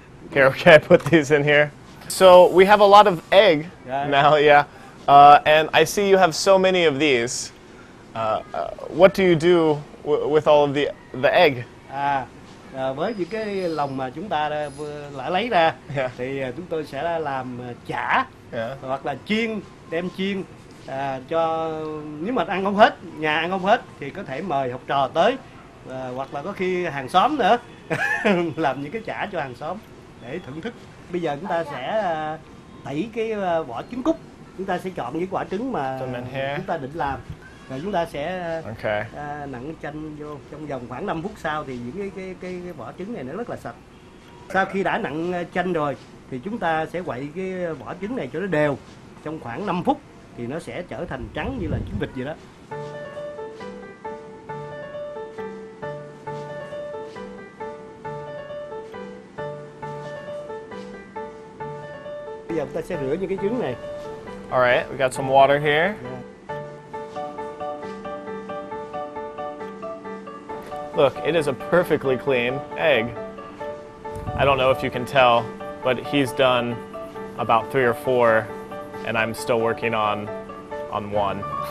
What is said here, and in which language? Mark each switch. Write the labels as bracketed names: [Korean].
[English] Okay, okay, I put these in here. So, we have a lot of egg now, yeah. And I see you have so many of these. What do you do with all of the egg? [Vietnamese] Với những cái lòng mà chúng ta đã lấy ra, thì chúng tôi sẽ làm chả hoặc là chiên, đem chiên cho nếu mà ăn không hết, nhà ăn không hết thì có thể mời học trò tới hoặc là có khi hàng xóm nữa làm những cái chả cho hàng xóm để thưởng thức. Bây giờ chúng ta sẽ tẩy cái vỏ trứng cúc. Chúng ta sẽ chọn những quả trứng mà chúng ta định làm. Rồi chúng ta sẽ nặng chanh vô. Trong vòng khoảng 5 phút sau thì những cái vỏ trứng này nó rất là sạch. Sau khi đã nặng chanh rồi thì chúng ta sẽ quậy cái vỏ trứng này cho nó đều. Trong khoảng 5 phút thì nó sẽ trở thành trắng như là trứng vịt vậy đó. Bây giờ chúng ta sẽ rửa những cái trứng này. [English] All right, we got some water here. Look, it is a perfectly clean egg. I don't know if you can tell, but he's done about 3 or 4, and I'm still working on one.